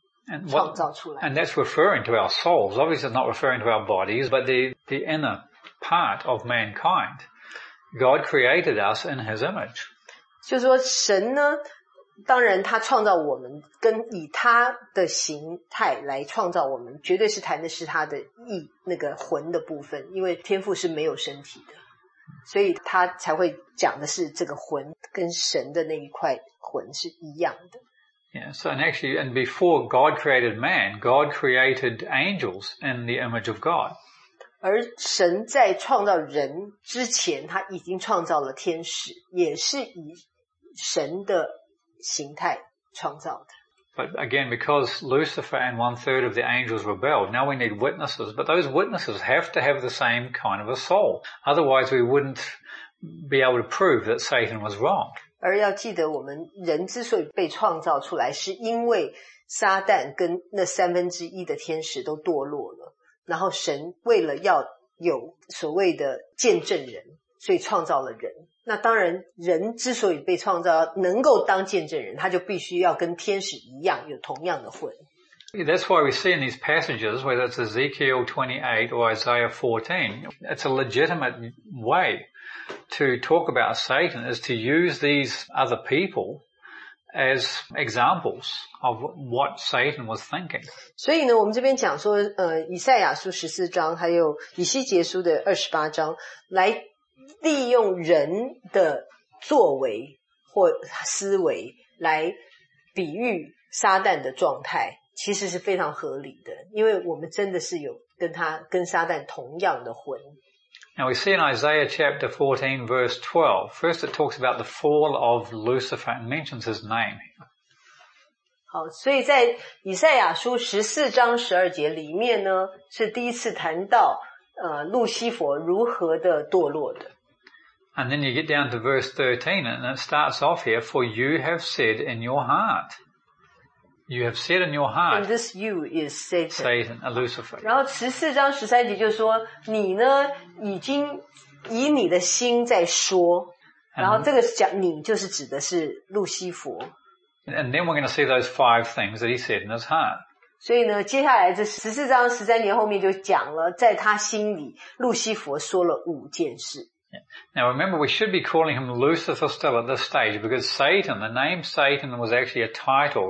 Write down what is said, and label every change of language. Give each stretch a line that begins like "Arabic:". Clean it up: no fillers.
English: And that's referring to our souls. Obviously, it's not referring to our bodies, but the inner part of mankind. God created us in His image.
Chinese: 就是说神呢，当然他创造我们，跟以他的形态来创造我们，绝对是谈的是他的意，那个魂的部分，因为天父是没有身体的，所以他才会讲的是这个魂，跟神的那一块魂是一样的。
English: Yeah, so and actually, and before God created man, God created angels in the image of God.
Chinese: 而神在创造人之前，他已经创造了天使，也是以神的形态创造的。
English: But again, because Lucifer and one third of the angels rebelled, now we need witnesses. But those witnesses have to have the same kind of a soul. Otherwise, we wouldn't be able to prove that Satan was wrong.
Chinese: 而要记得，我们人之所以被创造出来，是因为撒旦跟那三分之一的天使都堕落了，然后神为了要有所谓的见证人，所以创造了人。那当然，人之所以被创造能够当见证人，他就必须要跟天使一样有同样的魂。
English: That's why we see in these passages, whether it's Ezekiel 28 or Isaiah 14, it's a legitimate way to talk about Satan is to use these other people as examples of what Satan was thinking.
Chinese: 所以呢，我们这边讲说，以赛亚书十四章，还有以西结书的二十八章，来利用人的作为或思维来比喻撒旦的状态，其实是非常合理的，因为我们真的是有跟撒旦同样的魂。
English: Now we see in Isaiah chapter 14 verse 12. First it talks about the fall of Lucifer and mentions his name.
Chinese: 好，所以在以赛亚书14章12节里面呢，是第一次谈到路西佛如何的堕落的。
English: And then you get down to verse 13 and it starts off here, for you have said in your heart. You have said in your heart. And this you is Satan. Satan, a Lucifer.
Chinese: 然后14章13节就说你呢已经以你的心在说。然后这个讲你就是指的是路西佛。
English: And then we're going to see those five things that he said in his heart.
Chinese: 所以呢接下来这14章13节后面就讲了在他心里路西佛说了五件事。
English: Now remember, we should be calling him Lucifer still at this stage because Satan, the name Satan was actually a title.